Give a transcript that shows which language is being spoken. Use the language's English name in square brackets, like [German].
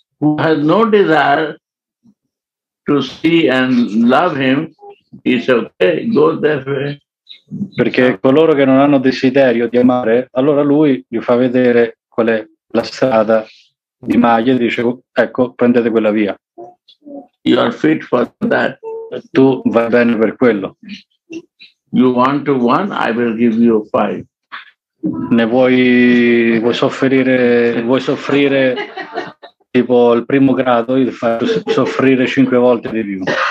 [English] Who has no desire to see and love him, it's okay, go that way. [Italian] Perché coloro che non hanno desiderio di amare, allora lui gli fa vedere qual è la strada di Maya e dice, ecco, prendete quella via. [English] You are fit for that. [Italian] Tu vai bene per quello. [English] You want to one, I will give you five. [Italian] Ne vuoi soffrire, vuoi soffrire tipo il primo grado, il far soffrire 5 volte di più.